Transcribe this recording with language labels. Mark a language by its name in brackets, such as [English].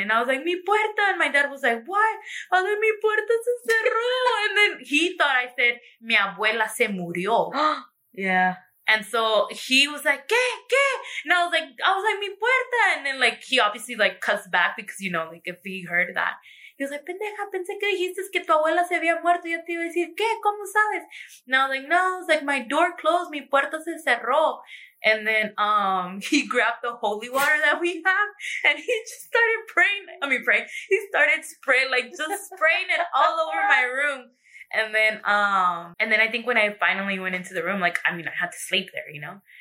[English] And I was like, [Spanish] mi puerta. [English] And my dad was like, what? I was like, [Spanish] mi puerta se cerró. [English] And then he thought I said, [Spanish] mi abuela se murió. [English] Yeah. And so he was like, [Spanish] ¿qué? ¿Qué? [English] And I was like, [Spanish] mi puerta. [English] And then like, he obviously like cuts back because, you know, like if he heard that. [Spanish] He was like, pendeja, pensé que dijiste que tu abuela se había muerto. Yo te iba a decir, ¿qué? ¿Cómo sabes? [English] And I was like, no. I was like, my door closed. [Spanish] Mi puerta se cerró. [English] And then he grabbed the holy water that we have. And he just started praying. I mean, praying. He started spraying, like, just spraying it all over my room. And then I think when I finally went into the room, like, I mean, I had to sleep there, you know.